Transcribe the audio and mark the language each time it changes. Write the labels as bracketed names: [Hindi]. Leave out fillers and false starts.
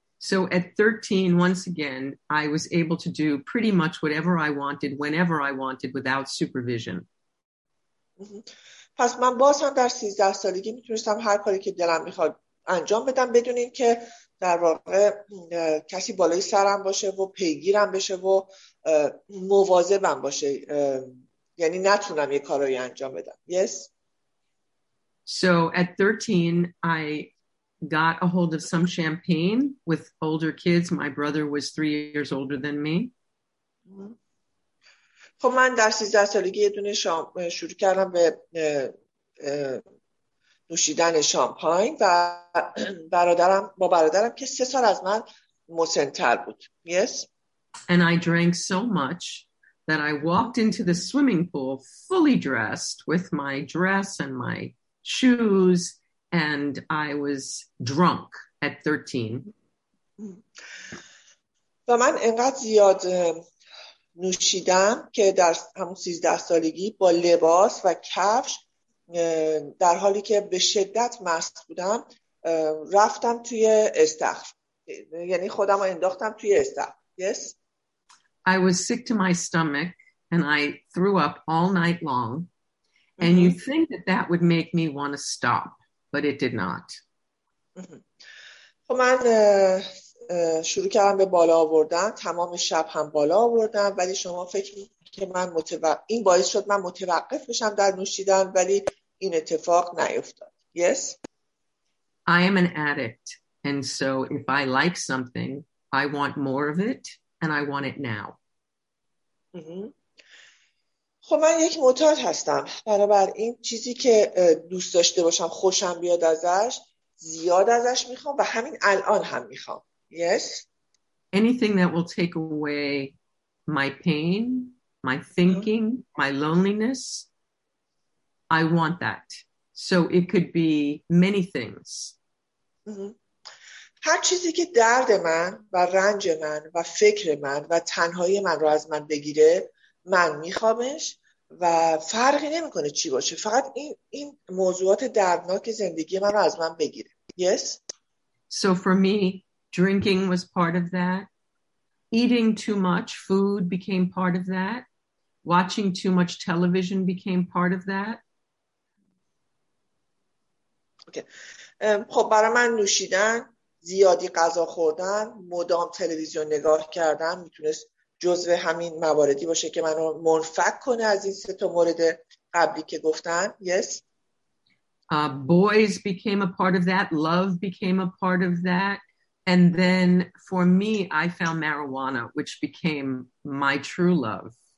[English] So at 13, once again, I was able to do pretty much whatever I wanted, whenever I wanted, without supervision. [Persian] پس من باز هم در 13 سالگی میتونستم هر کاری که دلم میخواد انجام بدم بدون این که در واقع کسی بالای سرم باشه و پیگیرم بشه و مواظبم باشه، یعنی نتونم یه کاری انجام بدم. [English] Yes. So at 13 I got a hold of some champagne with older kids. My brother was 3 years older than me. [Persian] خب من در 13 سالگی یه دونه شروع کردم به نوشیدن شامپاین و با برادرم که 3 سال از من مسن‌تر بود. [English] Yes. And I drank so much that I walked into the swimming pool fully dressed with my dress and my shoes and I was drunk at 13. [Persian] و من انقدر زیاد نوشیدم که در همون 13 سالگی با لباس و کفش در حالی که به شدت مست بودم رفتم توی استخر، یعنی خودم رو انداختم توی استخر. [English] Yes. I was sick to my stomach and I threw up all night long and you think that that would make me want to stop but it did not. [Persian] خب من شروع کردم به بالا آوردن، تمام شب هم بالا آوردم، ولی شما فکر که من این باعث شد من متوقف بشم در نوشیدن، ولی این اتفاق نیفتاد. [English] Yes. I am an addict and so if I like something I want more of it and I want it now. [Persian] خب من یک معتاد هستم، بنابراین چیزی که دوست داشته باشم، خوشم بیاد ازش، زیاد ازش میخوام و همین الان هم میخوام. [English] Yes. Anything that will take away my pain, my thinking, my loneliness, I want that. So it could be many things. [Persian] هر چیزی که درد من و رنج من و فکر من و تنهایی من رو از من بگیره، من میخوامش و فرقی نمیکنه چی باشه، فقط این موضوعات دردناک زندگی من رو از من بگیره. [English] Yes. So for me, drinking was part of that. Eating too much food became part of that. Watching too much television became part of that. Okay. [Persian] خب برای من نوشیدن، زیادی غذا خوردن، مدام تلویزیون نگاه کردن میتونست جزء همین مواردی باشه که منو منفک کنه از این سه تا مورد قبلی که گفتن. [English] Yes. Boys became a part of that. Love became a part of that. And then for me, I found marijuana, which became my true love.